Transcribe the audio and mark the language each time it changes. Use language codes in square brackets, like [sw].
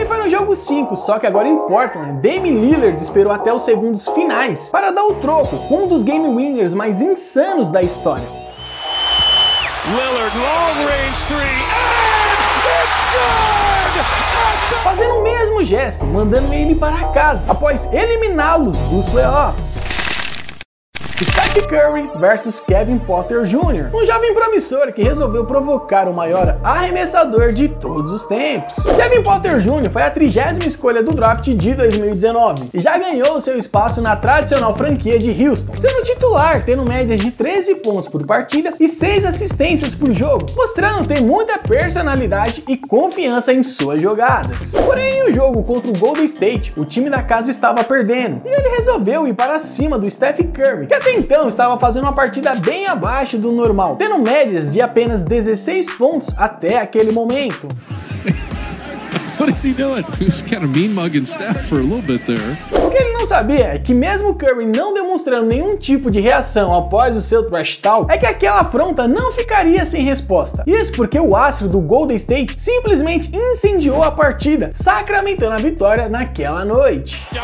[pt] Jogo 5, só que agora em Portland, Damian Lillard esperou até os segundos finais para dar o troco com um dos game winners mais insanos da história. [en] Lillard, long range 3, and it's good! [pt] Fazendo o mesmo gesto, mandando ele para casa, após eliminá-los dos playoffs. Steph Curry versus Kevin Potter Jr., um jovem promissor que resolveu provocar o maior arremessador de todos os tempos. Kevin Potter Jr. foi a 30ª escolha do draft de 2019 e já ganhou seu espaço na tradicional franquia de Houston, sendo titular, tendo médias de 13 pontos por partida e 6 assistências por jogo, mostrando ter muita personalidade e confiança em suas jogadas. Porém, em um jogo contra o Golden State, o time da casa estava perdendo e ele resolveu ir para cima do Steph Curry, que até então estava fazendo uma partida bem abaixo do normal, tendo médias de apenas 16 pontos até aquele momento. [en] What is he doing? He was kind of mean mugging Steph for a little bit there. [pt] O que ele não sabia é que mesmo Curry não demonstrando nenhum tipo de reação após o seu trash talk, é que aquela afronta não ficaria sem resposta. Isso porque o astro do Golden State simplesmente incendiou a partida, sacramentando a vitória naquela noite.